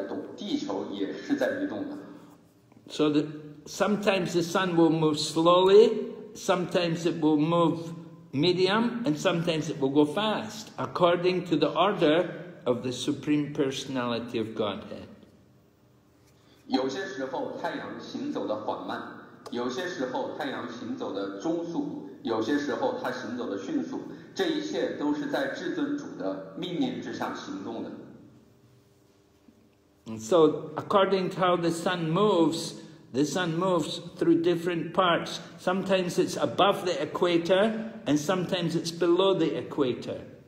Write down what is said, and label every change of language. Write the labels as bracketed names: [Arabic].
[Chinese] 我们可以了解到太阳它也不是说不动的,太阳也在动,地球也是在移动的。 [English] So that sometimes the sun will move slowly, sometimes it will move medium, and sometimes it will go fast, according to the order of the Supreme Personality of Godhead. [Chinese] 有些时候太阳行走的缓慢，有些时候太阳行走的中速，有些时候它行走的迅速，这一切都是在至尊主的命令之上行动的。 [English] And so according to how the sun moves through different parts. Sometimes it's above the equator, and sometimes it's below the equator.